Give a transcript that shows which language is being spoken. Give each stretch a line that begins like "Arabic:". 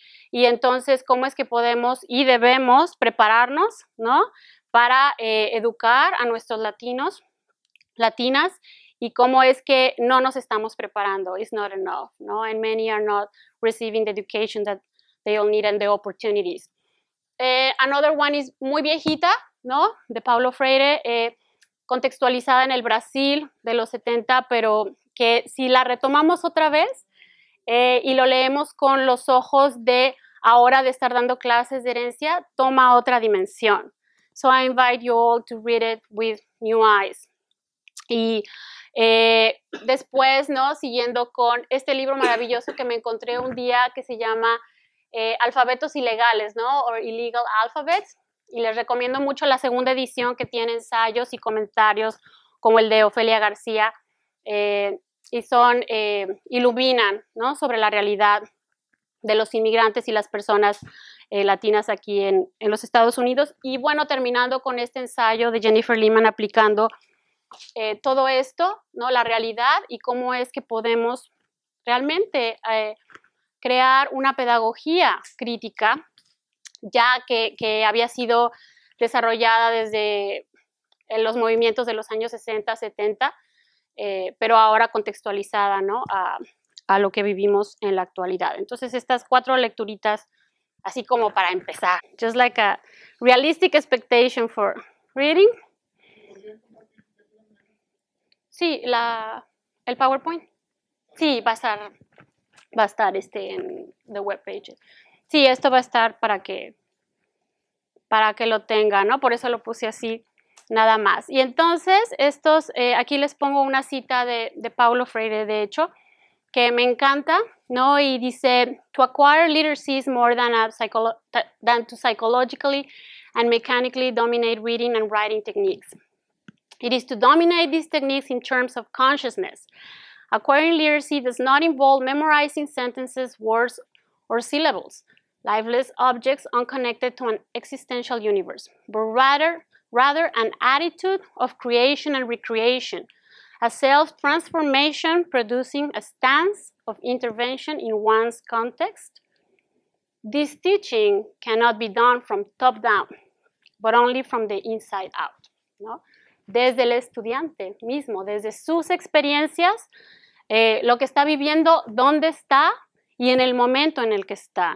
Spanish: Y entonces, ¿cómo es que podemos y debemos prepararnos, ¿no?, para educar a nuestros latinos, latinas, y cómo es que no nos estamos preparando?
English: It's not enough, ¿no? And many are not receiving the education that they all need and the opportunities. Another one is
Spanish: muy viejita, ¿no?, de Paulo Freire, contextualizada en el Brasil de los 70, pero que si la retomamos otra vez, y lo leemos con los ojos de ahora de estar dando clases de herencia, toma otra dimensión.
English: So I invite you all to read it with new eyes.
Spanish: Y después, ¿no?, siguiendo con este libro maravilloso que me encontré un día que se llama Alfabetos Ilegales, ¿no?, or Illegal Alphabets. Y les recomiendo mucho la segunda edición que tiene ensayos y comentarios como el de Ofelia García. Y son, iluminan, ¿no?, sobre la realidad de los inmigrantes y las personas latinas aquí en los Estados Unidos. Y bueno, terminando con este ensayo de Jennifer Lehman aplicando todo esto, ¿no?, la realidad y cómo es que podemos realmente crear una pedagogía crítica, ya que había sido desarrollada desde los movimientos de los años 60, 70, pero ahora contextualizada, ¿no?, a lo que vivimos en la actualidad. Entonces, estas cuatro lecturitas, así como para empezar.
English: Just like a realistic expectation for reading.
Spanish: Sí, el PowerPoint. Sí, va a estar en
English: the webpage.
Spanish: Sí, esto va a estar para que lo tenga, ¿no? Por eso lo puse así. Nada más. Y entonces, aquí les pongo una cita de Paulo Freire, de hecho, que me encanta, ¿no? Y dice,
English: to acquire literacy is more than to psychologically and mechanically dominate reading and writing techniques. It is to dominate these techniques in terms of consciousness. Acquiring literacy does not involve memorizing sentences, words, or syllables, lifeless objects unconnected to an existential universe, but rather an attitude of creation and recreation, a self-transformation producing a stance of intervention in one's context. This teaching cannot be done from top down, but only from the inside out, ¿no?
Spanish: Desde el estudiante mismo, desde sus experiencias, lo que está viviendo, dónde está y en el momento en el que está.